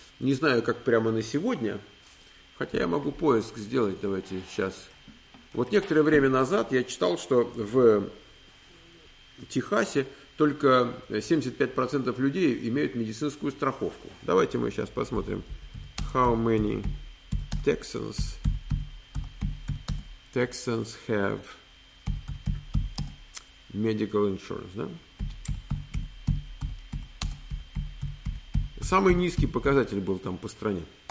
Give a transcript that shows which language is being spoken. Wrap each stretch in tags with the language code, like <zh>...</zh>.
<ru>Не знаю, как прямо на сегодня, хотя я могу поиск сделать, давайте сейчас. Вот некоторое время назад я читал, что в Техасе только 75% людей имеют медицинскую страховку. Давайте мы сейчас посмотрим.</ru> <en>How many Texans have medical insurance, да?</en> <ru>Самый низкий показатель был там по стране.</ru>